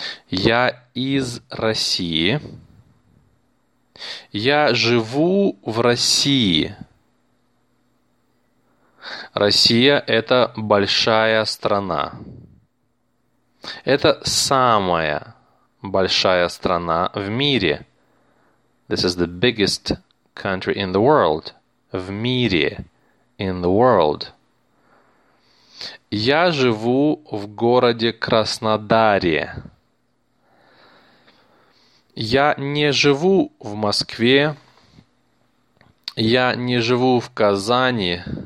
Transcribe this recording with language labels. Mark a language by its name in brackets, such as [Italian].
[Russian] Я из России. Я живу в России. Россия – это большая страна. Это самая большая страна в мире. [English] This is the biggest country in the world. [Russian] В мире. [English] In the world. [Russian] Я живу в городе Краснодаре. Я не живу в Москве. Я не живу в Казани.